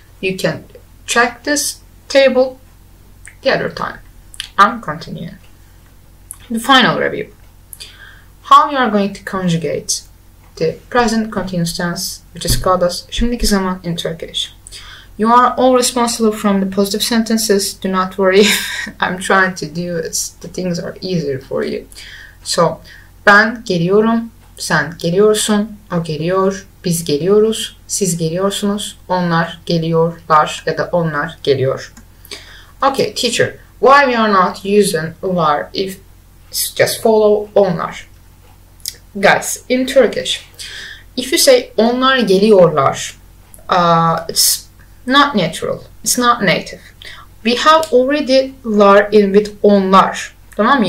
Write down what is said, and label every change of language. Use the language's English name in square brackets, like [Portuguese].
[English] You can check this table the other time. I'm continuing. The final review. How you are going to conjugate the present continuous tense, which is called as şimdiki zaman in Turkish. You are all responsible from the positive sentences. Do not worry. I'm trying to do it. The things are easier for you. [Turkish] So, ben geliyorum, sen geliyorsun, o geliyor, biz geliyoruz, siz geliyorsunuz, onlar geliyorlar ya da onlar geliyor. [English] Okay, teacher, why we are not using var if it's just follow onlar? Guys, in Turkish, if you say [Turkish] onlar geliyorlar, [English] it's not natural. It's not native. We have already lar in with onlar. [Turkish] Tamam?